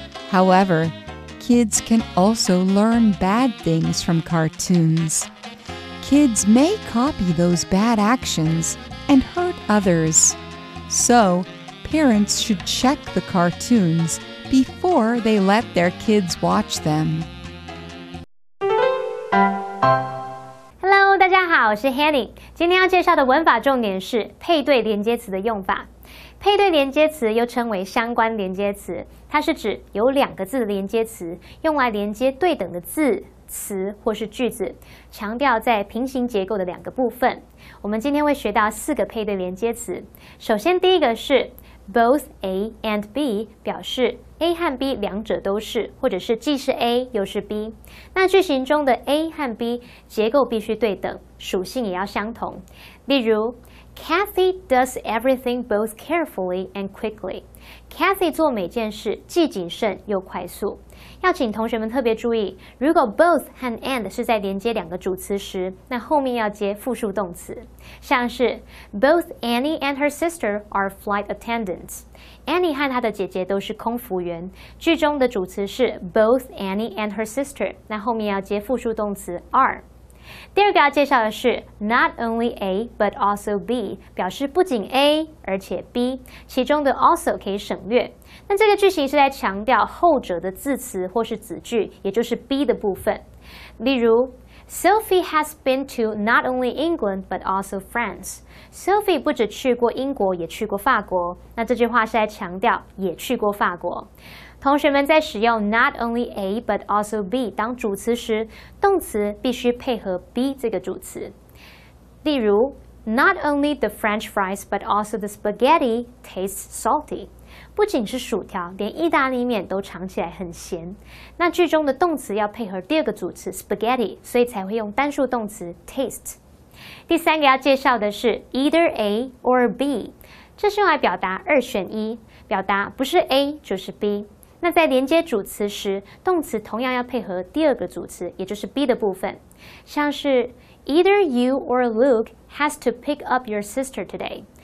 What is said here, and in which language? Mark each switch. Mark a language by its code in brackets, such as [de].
[en] However, kids can also learn bad things from cartoons. Kids may copy those bad actions and hurt others. So,Parents should check the cartoons before they let their kids watch them. [zh] Hello, 大家好，我是 Hanny。今天要介绍的文法重点是配对连接词的用法。配对连接词又称为相关连接词，它是指有两个字的连接词，用来连接对等的字、词或是句子，强调在平行结构的两个部分。我们今天会学到四个配对连接词。首先，第一个是 [en] Both A and B [zh] 表示 A 和 B 两者都是，或者是既是 A 又是 B。那句型中的 A 和 B 结构必须对等，属性也要相同。例如 [en] ，Kathy does everything both carefully and quickly。 [zh] Kathy 做每件事既谨慎又快速。要请同学们特别注意，如果 both 和 and 是在连接两个主词时，那后面要接复数动词，像是 [en] both Annie and her sister are flight attendants。 [zh] Annie 和她的姐姐都是空服员。句中的主词是 [en] both Annie and her sister， [zh] 那后面要接复数动词 are。第二个要介绍的是 [en] not only A but also B， [zh] 表示不仅 A 而且 B， 其中的 also 可以省略。那这个句型是在强调后者的字词或是子句，也就是 B 的部分。例如 [en] ，Sophie has been to not only England but also France。 [zh] Sophie 不只去过英国，也去过法国。那这句话是在强调也去过法国。同学们在使用 [en] not only A but also B [zh] 当主词时，动词必须配合 B 这个主词。例如 [en] ，Not only the French fries but also the spaghetti tastes salty。 [zh] 不仅是薯条，连意大利面都尝起来很咸。那句中的动词要配合第二个主词 spaghetti， 所以才会用单数动词 taste。第三个要介绍的是 [en] either A or B， [zh] 这是用来表达二选一，表达不是 A 就是 B。那在连接主词时，动词同样要配合第二个主词，也就是 B 的部分。像是 [en] either you or Luke has to pick up your sister today。